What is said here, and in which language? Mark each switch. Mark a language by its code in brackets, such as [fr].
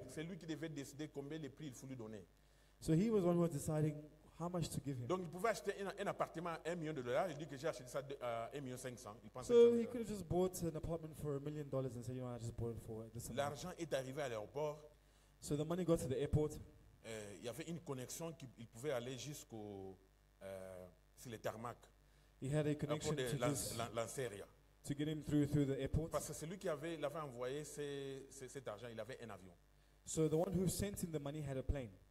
[fr] C'est lui qui devait décider combien le prix il faut lui donner. [en] So he was the one who was deciding how much to give him. [fr] Donc il pouvait acheter un appartement à $1,000,000. Il dit que j'ai acheté ça à $1,500,000. Il pensait [en] so he could have just bought an apartment for $1,000,000 and said, you know, I just bought it for this. [fr] L'argent est arrivé à l'aéroport. [en] So the money got to the airport. [fr] Il y avait une connexion qu'il pouvait aller jusqu'au sur le tarmac. [en] He had a connection to Lanseria. To get him through the airport. [fr] Parce que c'est lui qui avait, l'avait envoyé cet argent, il avait un avion. [en] So the one who sent him the money had a plane.